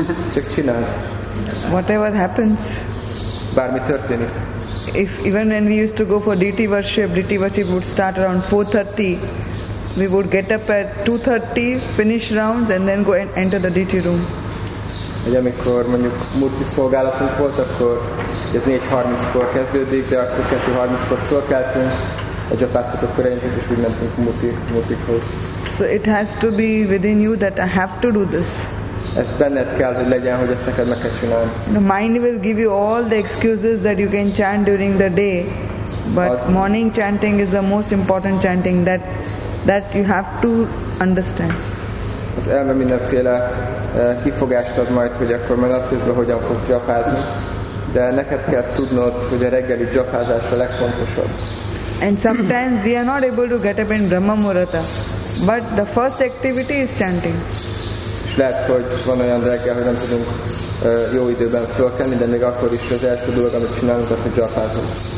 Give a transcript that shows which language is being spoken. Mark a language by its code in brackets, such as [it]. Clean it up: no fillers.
[en] Chakchina. Whatever happens. [hu] Bármi történik. [en] If even when we used to go for deity worship would start around 4:30. We would get up at 2:30, finish rounds, and then go and enter the deity room. [hu] Ugye, amikor mondjuk múlti szolgálatunk volt, akkor ez 4:30-kor kezdődik, de akkor 2:30-kor felkeltünk, a japáztatok körénkünk, és úgy mentünk múltikhoz. [en] So it has to be within you that I have to do this. [hu] Ez benned kell, hogy legyen, hogy ezt neked meg kell csinálni. [en] The mind will give you all the excuses that you can chant during the day, but [hu] az [en] morning chanting is the most important chanting that you have to understand. [hu] Az elme mindenféle kifogást ad majd, hogy akkor meg napközben hogyan fogsz japázni, de neked kell tudnod, hogy a reggeli japázás a legfontosabb. [en] And sometimes we are not able to get up in Brahma Murata, but the first activity is chanting. [hu] Lehet, hogy van olyan reggel, hogy nem tudunk jó időben fölkenni, de még akkor is az első dolog, amit csinálunk, az, hogy japázunk.